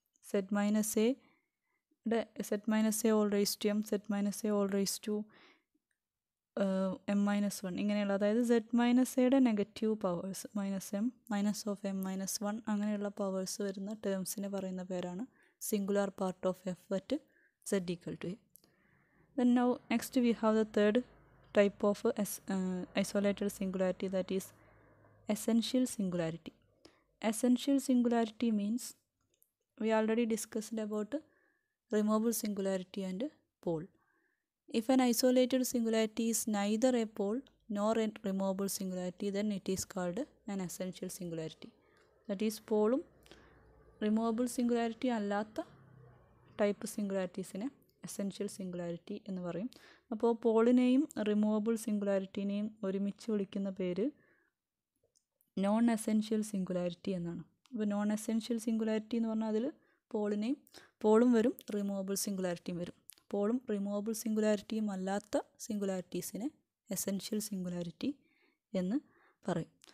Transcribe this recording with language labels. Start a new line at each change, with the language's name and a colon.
Malayalam: Z minus എയുടെ Z minus A all raise to M, Z minus A all raise to M minus one, ഇങ്ങനെയുള്ള, അതായത് Z minus എയുടെ negative powers minus M minus of M minus one അങ്ങനെയുള്ള powers വരുന്ന ടേംസിനെ പറയുന്ന പേരാണ് singular part of F at Z equal to A.
English: Then now next we have the third type of isolated singularity, that is essential singularity. Essential singularity means we already discussed about removable singularity and pole. If an isolated singularity is neither a pole nor a removable singularity, then it is called an essential singularity. That is,
Malayalam: pole removable singularity allatha type singularities ine essential singularity എന്ന് പറയും. അപ്പോൾ പോളിനെയും removable സിംഗുലാരിറ്റിനെയും ഒരുമിച്ച് വിളിക്കുന്ന പേര് non essential singularity എന്നാണ്. അപ്പോൾ non essential singularity എന്ന് പറഞ്ഞാൽ അതിൽ പോളിനെയും പോളും വരും, റിമൂവബിൾ സിംഗുലാരിറ്റിയും വരും. പോളും റിമൂവബിൾ സിംഗുലാരിറ്റിയും അല്ലാത്ത സിംഗുലാരിറ്റീസിനെ എസെൻഷ്യൽ സിംഗുലാരിറ്റി എന്ന് പറയും.